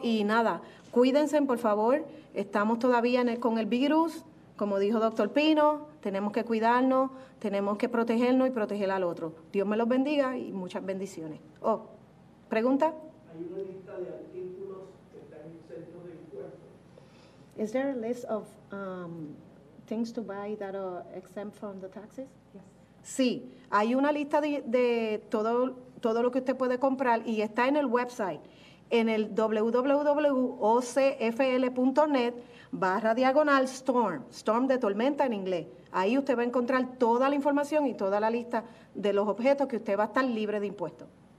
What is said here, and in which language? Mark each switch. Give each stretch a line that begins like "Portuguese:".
Spanish: Y nada, cuídense, por favor. Estamos todavía con el virus, como dijo Dr. Pino, tenemos que cuidarnos, tenemos que protegernos y proteger al otro. Dios me los bendiga y muchas bendiciones. Oh, ¿pregunta? Hay una lista de artículos que están en el centro de impuestos.
English: Is there a list of things to buy that are exempt from the taxes? Yes.
Spanish: Sí, hay una lista de todo lo que usted puede comprar y está en el website. En el www.ocfl.net/storm, storm de tormenta en inglés. Ahí usted va a encontrar toda la información y toda la lista de los objetos que usted va a estar libre de impuestos.